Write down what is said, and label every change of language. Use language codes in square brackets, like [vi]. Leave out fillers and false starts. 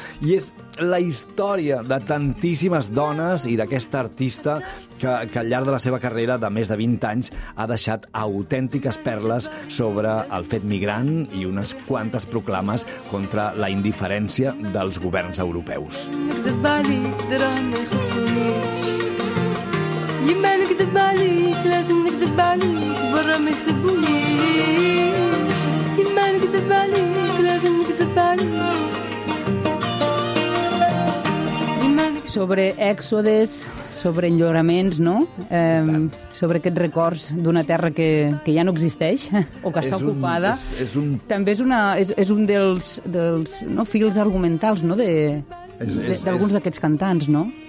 [ca] I és la història de tantíssimes dones i d'aquesta artista que al llarg de la seva carrera de més de 20 anys ha deixat autèntiques perles sobre el fet migrant i unes quantes proclames contra la indiferència dels governs europeus. [ar] يمالك دباليك لازم لك دباليك برا ما يسبونيش يمالك دباليك لازم لك دباليك. [ca] Sobre èxodes, sobre enlloraments, no? Sobre aquests records d'una terra que ja no existeix o que està ocupada. És un... També és un dels no, fils argumentals, no? D'alguns d'aquests cantants, no?